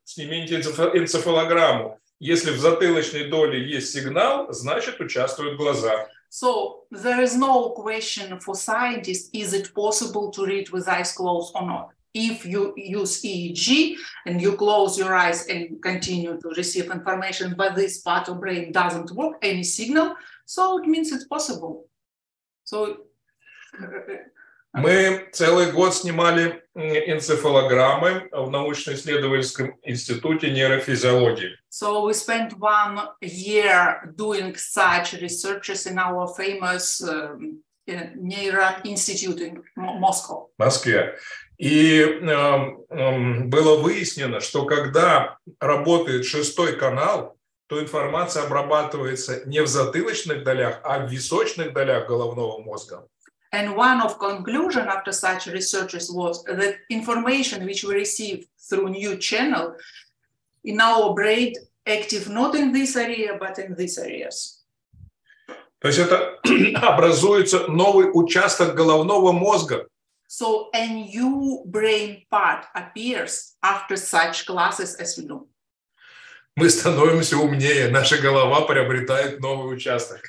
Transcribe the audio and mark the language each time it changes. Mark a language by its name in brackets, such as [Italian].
[Russian] Снимите энцефалограмму. Если в затылочной доле есть сигнал, значит, участвуют глаза. [English] So there is no question for scientists, is it possible to read with eyes closed or not? If you use EEG and you close your eyes and continue to receive information, but this part of brain doesn't work, any signal, so it means it's possible. So [Russian] мы целый год снимали энцефалограммы в научно-исследовательском институте нейрофизиологии. [English] So we spent 1 year doing such researches in our famous neuro institute in Moscow. [Russian] В Москве. И было выяснено, что когда работает шестой канал, то информация обрабатывается не в затылочных долях, а в височных долях головного мозга. [English] And one of conclusion after such researches was that information which we receive through new channel in our brain active not in this area, but in these areas. [Russian] То есть это образуется новый участок головного мозга. [English] So a new brain part appears after such classes as we do. [Russian] Мы становимся умнее, наша голова приобретает новый участок.